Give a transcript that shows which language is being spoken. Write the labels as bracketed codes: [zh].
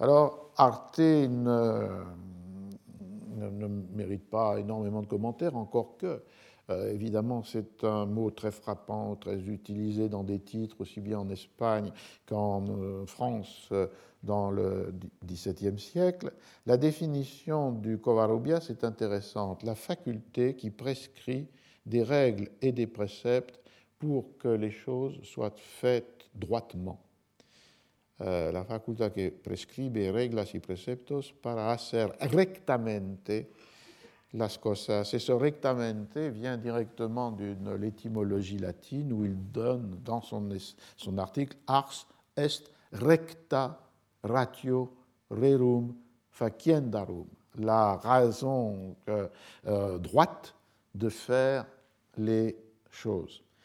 [fr] Alors, Arte ne mérite pas énormément de commentaires, encore que, évidemment, c'est un mot très frappant, très utilisé dans des titres, aussi bien en Espagne qu'en France, dans le XVIIe siècle. La définition du Covarrubias est intéressante. La faculté qui prescrit des règles et des préceptes pour que les choses soient faites droitement. [es] La facultad que prescribe reglas y preceptos para hacer rectamente las cosas. [fr] Et ce rectamente vient directement d'une étymologie latine où il donne dans son article [la] ars est recta ratio rerum faciendarum. [fr] La raison droite de faire les choses.